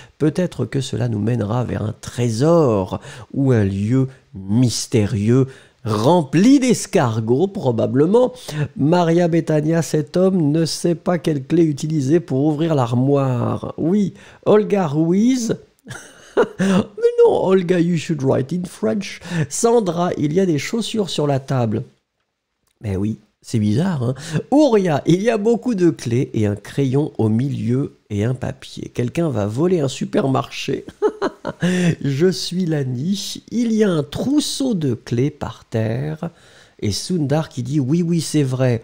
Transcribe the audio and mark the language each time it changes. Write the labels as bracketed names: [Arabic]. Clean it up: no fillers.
[French] Peut-être que cela nous mènera vers un trésor ou un lieu mystérieux rempli d'escargots, probablement. Maria Betania, cet homme ne sait pas quelle clé utiliser pour ouvrir l'armoire. Oui, Olga Ruiz. Mais non, [English] Olga, you should write in French. [French] Sandra, il y a des chaussures sur la table. Mais oui, c'est bizarre, hein. Ouria, il y a beaucoup de clés et un crayon au milieu et un papier. Quelqu'un va voler un supermarché. Je suis la niche. Il y a un trousseau de clés par terre. Et Sundar qui dit oui, oui, c'est vrai.